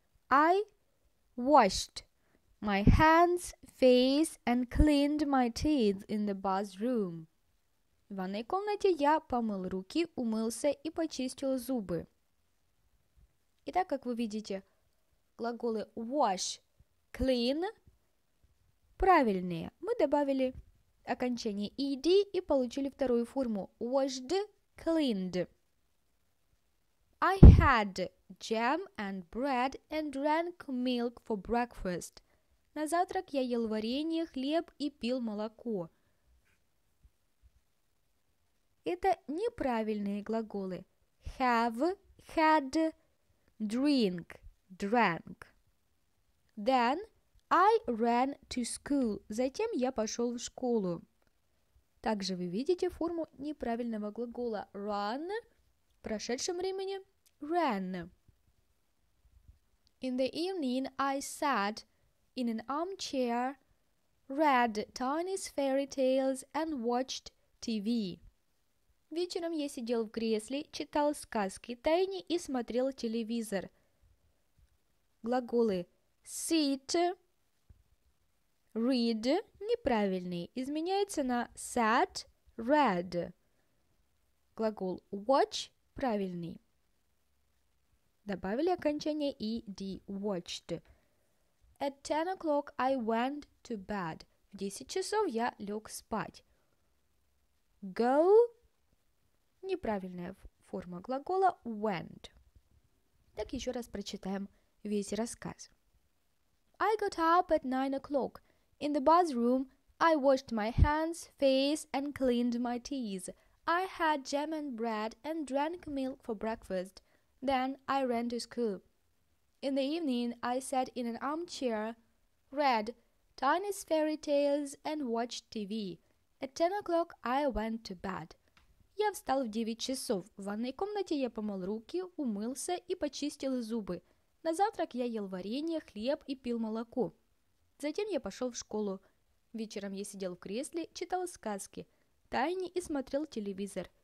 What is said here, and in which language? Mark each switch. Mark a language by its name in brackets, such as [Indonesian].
[English] I washed my hands, face and cleaned my teeth in the bathroom. [Russian] В ванной комнате я помыл руки, умылся и почистил зубы. Итак, как вы видите, глаголы wash, clean правильные. Мы добавили окончание ed и получили вторую форму washed, cleaned. [English] I had jam and bread and drank milk for breakfast. [Russian] На завтрак я ел варенье, хлеб и пил молоко. Это неправильные глаголы. [English] Have, had, drink, drank. Then I ran to school. [Russian] Затем я пошел в школу. Также вы видите форму неправильного глагола run в прошедшем времени. [English] Ran. In the evening, I sat in an armchair, read Tiny's fairy tales and watched TV. [Russian] Вечером я сидел в кресле, читал сказки Тайни и смотрел телевизор. Глаголы sit, read неправильные, изменяются на sat, read. Глагол watch правильный. Добавили окончание ed, watched. [English] At 10 o'clock I went to bed. [Russian] В 10 часов я лег спать. [English] Go. [Russian] Неправильная форма глагола went. Так, еще раз прочитаем весь рассказ. [English] I got up at 9 o'clock. In the bathroom I washed my hands, face and cleaned my teeth. I had jam and bread and drank milk for breakfast. Then I ran to school. In the evening, I sat in an armchair, read Tiny's fairy tales and watched TV. At 10 o'clock, I went to bed. [Russian] Я встал в 9 часов. В ванной комнате я помыл руки, умылся и почистил зубы. На завтрак я ел варенье, хлеб и пил молоко. Затем я пошел в школу. Вечером я сидел в кресле, читал сказки, Тайни и смотрел телевизор.